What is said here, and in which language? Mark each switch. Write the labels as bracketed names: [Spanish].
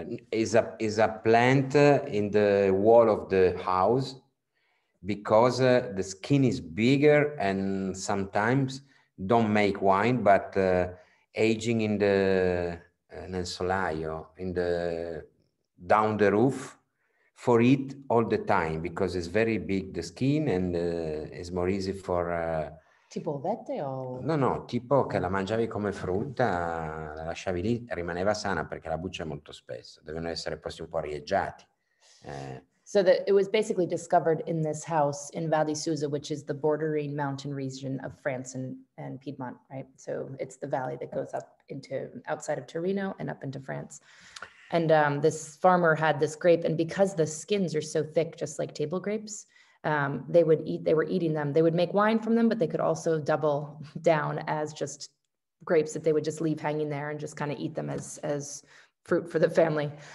[English] Is a plant in the wall of the house, because the skin is bigger and sometimes don't make wine, but aging in the [Italian] nel solaio, [English] in the down the roof for it all the time, because it's very big the skin, and it's more easy for [Italian] Tipo vette o... No, no, tipo che la mangiavi come frutta, la lasciavi lì, rimaneva sana perché la buccia è molto spessa, devono essere posti un po' arieggiati. [English] So that it was basically discovered in this house in Val di Susa, which is the bordering mountain region of France and Piedmont, right? So it's the valley that goes up into outside of Torino and up into France. And this farmer had this grape, and because the skins are so thick, just like table grapes, they were eating them. They would make wine from them, but they could also double down as just grapes that they would just leave hanging there and just kind of eat them as fruit for the family.